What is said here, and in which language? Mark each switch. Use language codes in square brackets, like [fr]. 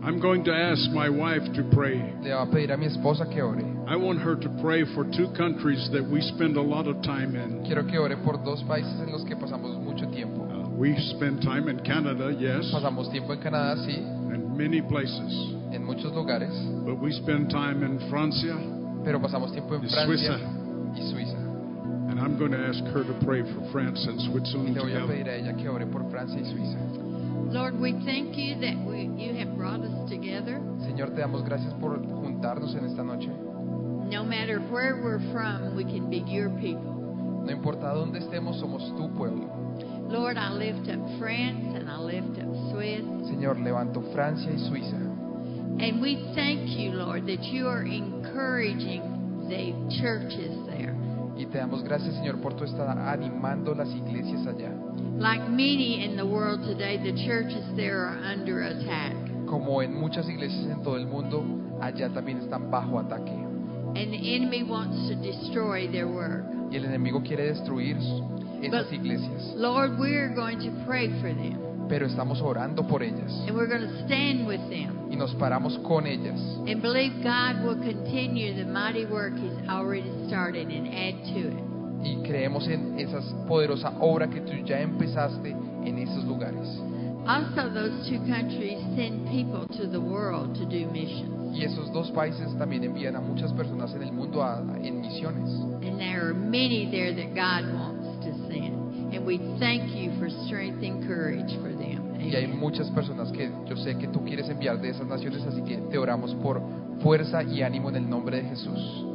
[en] I'm going to ask my wife to pray. [es] Le voy a pedir a mi esposa que ore. [en] I want her to pray for two countries that we spend a lot of time in. [es] Quiero que ore por dos países en los que pasamos mucho tiempo. [en] We spend time in Canada, yes. [es] Pasamos tiempo en Canadá, sí. [en] In many places. [es] En muchos lugares. [en] But we spend time in Francia. [es] Pero pasamos tiempo en Francia. [en] Suiza. [es] Y Suiza. [en] And I'm going to ask her to pray for France and Switzerland. [es] Y le voy a pedir a ella que ore por Francia y Suiza. [en] Lord, we thank you that you have brought us together. [es] Señor, te damos gracias por juntarnos en esta noche. [en] No matter where we're from, we can be your people. [es] No importa dónde estemos, somos tu pueblo. [en] Lord, I lift up France and I lift up Switzerland. [es] Señor, levanto Francia y Suiza. [en] And we thank you, Lord, that you are encouraging the churches there. [es] Y te damos gracias, Señor, por tu estar animando las iglesias allá. [en] Like many in the world today, the churches there are under attack. [es] Como en muchas iglesias en todo el mundo, allá también están bajo ataque. [en] And the enemy wants to destroy their work. [es] Y el enemigo quiere destruir esas iglesias. [en] Lord, we are going to pray for them. [es] Pero estamos orando por ellas. [en] And we're going to stand with them. [es] Y nos paramos con ellas. [en] And believe God will continue the mighty work He's already started and add to it. [es] Y creemos en esa poderosa obra que tú ya empezaste en esos lugares. [en] Also, those two countries send people to the world to do missions. [es] Y esos dos países también envían a muchas personas en el mundo en misiones. [en] And there are many there that God wants. And we thank you for strength and courage for them. [es] Y hay muchas personas que yo sé que tú quieres enviar de esas naciones, así que te oramos por fuerza y ánimo en el nombre de Jesús.